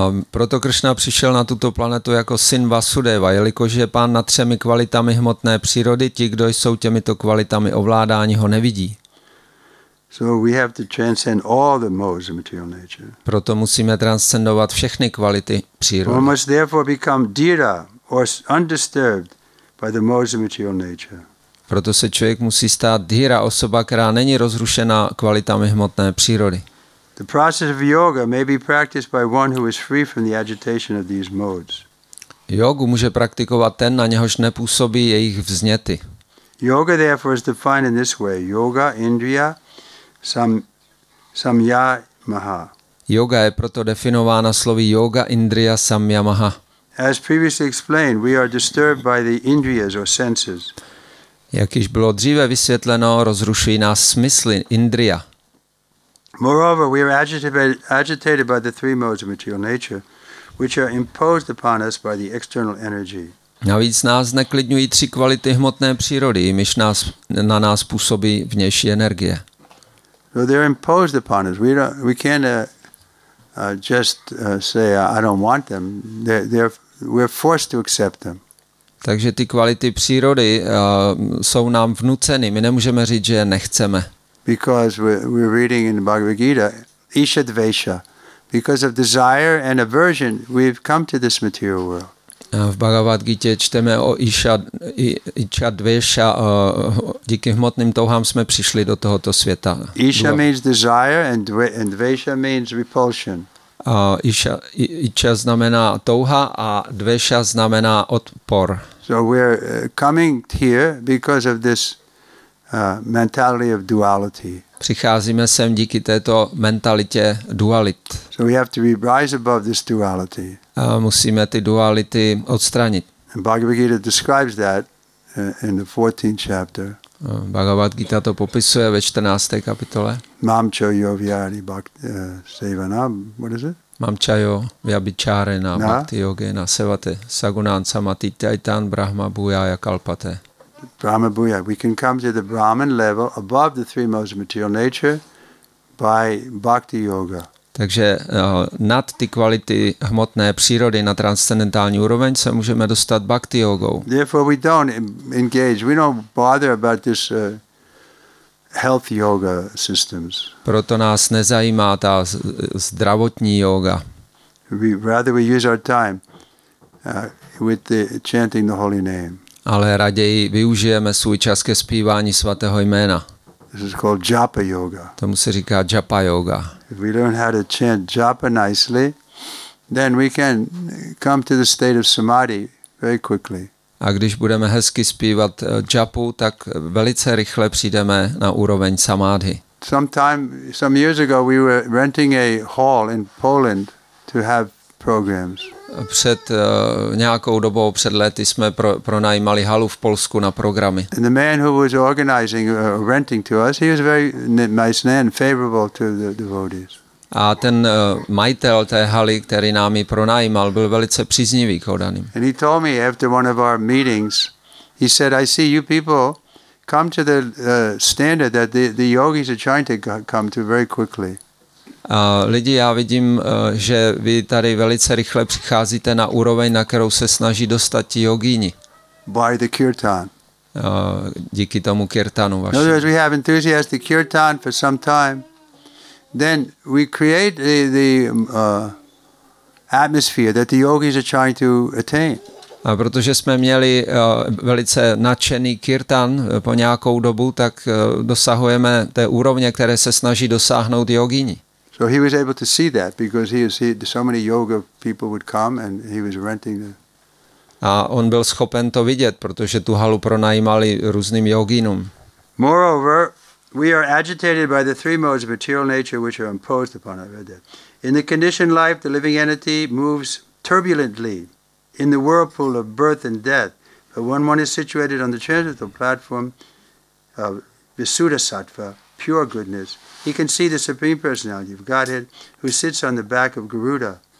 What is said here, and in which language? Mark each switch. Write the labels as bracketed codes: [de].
[cs] Proto Krishna přišel na tuto planetu jako syn Vasudeva, jelikož je pán nad třemi kvalitami hmotné přírody, ti, kdo jsou těmito kvalitami ovládáni, ho nevidí. [en] So we have to transcend all the modes of material nature. [cs] Proto musíme transcendovat všechny kvality přírody. [en] We must therefore become dhira or undisturbed by the modes of material nature. [cs] Proto se člověk musí stát dhira, osoba, která není rozrušena kvalitami hmotné přírody. [en] The process of yoga may be practiced by one who is free from the agitation of these modes. [cs] Jógu může praktikovat ten, na něhož nepůsobí jejich vzněty. [en] Yoga therefore is defined in this way: yoga, indriya, samyamaha. [cs] Yoga je proto definována slovy yoga, indriya, samyamaha. [en] As previously explained, we are disturbed by the indriyas or senses. [cs] Jak již bylo dříve vysvětleno, rozrušují nás smysly, indriya. [en] Moreover, we are agitated by the three modes of material nature, which are imposed upon us by the external energy. [cs] Navíc nás neklidňují tři kvality hmotné přírody, jimiž nás, na nás působí vnější energie. [en] So they're imposed upon us. We can't just say I don't want them. We're forced to accept them. [cs] Takže ty kvality přírody jsou nám vnuceny. My nemůžeme říct, že je nechceme. [en] Because we're reading in the Bhagavad Gita, Isha Dvesha. Because of desire and aversion, we've come to this material world. [cs] V Bhagavad Gita čteme o Isha Dvesha. Díky hmotným touhám jsme přišli do tohoto světa. [en] Isha means desire and Dvesha means repulsion. [cs] Isha znamená touha a Dvesha znamená odpor. [en] So we're coming here because of this mentality of duality. [cs] Přicházíme sem díky této mentalitě dualit. [en] So we have to rise above this duality. [cs] A musíme ty duality odstranit. [en] Bhagavad Gita describes that in the 14th chapter. [cs] Bhagavad Gita to popisuje ve 14. kapitole. [sa] Mamcha yo vyari sevana, [en] what is it? [sa] Mamcha yo vyabhicharena bhakti yogena sevate sagunan samati taitan brahma bhuyaya kalpate. Brahma Bhuya. [en] We can come to the Brahman level above the three modes of material nature by bhakti yoga. [cs] Takže nad ty kvality hmotné přírody na transcendentální úroveň se můžeme dostat bhakti yogou. [en] Therefore we don't engage. We don't bother about this health yoga systems. [cs] Proto nás nezajímá ta zdravotní yoga. [en] Rather we use our time with the chanting the holy name. [cs] Ale raději využijeme svůj čas ke zpívání svatého jména. [en] This is called japa yoga. [cs] Tomu se říká japa yoga. [en] If we learn how to chant japa nicely, then we can come to the state of samadhi very quickly. [cs] A když budeme hezky zpívat japu, tak velice rychle přijdeme na úroveň samadhi. [en] Some years ago we were renting a hall in Poland to have programs. [cs] Před nějakou dobou, před lety, jsme pronajímali halu v Polsku na programy. [en] And the man who was organizing renting to us, he was very nice man, favorable to the devotees. [cs] A ten majitel té haly, který nám ji pronajímal, byl velice příznivý k odaným. [en] And he told me after one of our meetings, he said, I see you people come to the standard that the yogis are trying to come to very quickly. [cs] Lidi, já vidím, že vy tady velice rychle přicházíte na úroveň, na kterou se snaží dostat jogíni. [en] By the kirtan. [cs] Díky tomu kirtanu vašemu. [en] In other words, we have enthusiastic kirtan for some time. Then we create the atmosphere that the yogis are trying to attain. [cs] A protože jsme měli velice nadšený kirtan po nějakou dobu, tak dosahujeme té úrovně, které se snaží dosáhnout jogíni. [en] So he was able to see that because so many yoga people would come and he was renting the. [cs] A on byl schopen to vidět, protože tu halu pronajímali různým jogínům. [en] Moreover, we are agitated by the three modes of material nature which are imposed upon us. In the conditioned life, the living entity moves turbulently in the whirlpool of birth and death. But when one is situated on the transcendental platform of Visuddha Sattva, pure goodness, he can see the Supreme Personality of Godhead who sits on the back of Garuda.